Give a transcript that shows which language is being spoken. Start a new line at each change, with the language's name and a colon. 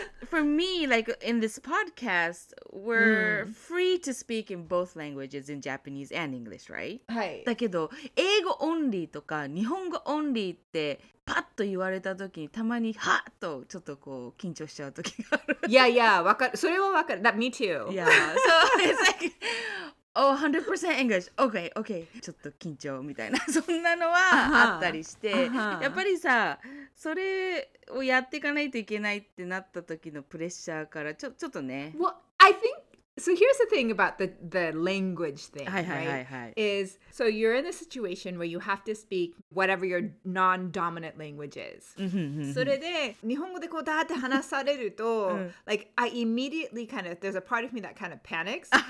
English: For me, like in this podcast, we're free to speak in both languages, in Japanese and English, right?
Japanese: はい。だけど、英語オンリーとか日本語オンリーってパッと言われた時にたまにハッとちょっとこう緊張しちゃう時がある。
English: Yeah, yeah,
Japanese: わかる。それはわかる。
English: That, me too. Yeah, so it's like, oh, 100% English. Okay, okay.
Japanese: ちょっと緊張みたいな、そんなのはあったりして、やっぱりさ、それをやっていかないといけないってなった時のプレッシャーからちょっとね。
English: Well, I think, so here's the thing about the language thing, right? Is, so you're in a situation where you have to speak whatever your non-dominant language is.
Japanese: それで、日本語でこうだって話されると、
English: like, I immediately kind of, there's a part of me that kind of panics.